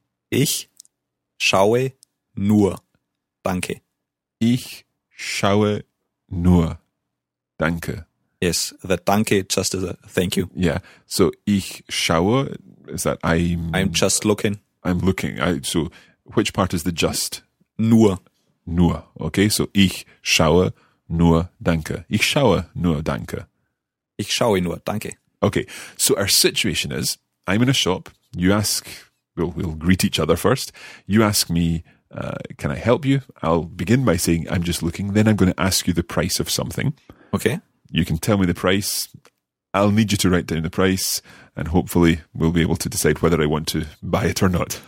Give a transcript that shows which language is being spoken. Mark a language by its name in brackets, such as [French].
[German] Ich schaue nur. Danke. Ich schaue nur. Danke. [English] Yes, the danke just as a thank you. Yeah. So [German] ich schaue, [English] is that I'm just looking. I'm looking. So which part is the just? [German] Nur. Nur, [English] okay, so [German] ich schaue nur, danke. Ich schaue nur, danke. Ich schaue nur, danke. [English] Okay, so our situation is, I'm in a shop, you ask, we'll greet each other first, you ask me Can I help you? I'll begin by saying I'm just looking. Then I'm going to ask you the price of something. Okay. You can tell me the price. I'll need you to write down the price, and hopefully we'll be able to decide whether I want to buy it or not.